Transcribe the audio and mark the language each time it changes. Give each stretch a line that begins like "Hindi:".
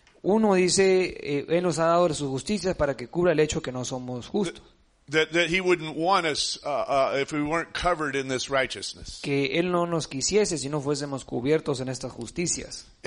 Spanish: Uno dice, Él nos ha dado su justicia para que cubra el hecho que no somos justos.
English: That he wouldn't want us if we weren't covered in this righteousness.
Spanish: Que Él no nos quisiese si no fuésemos cubiertos en estas justicias.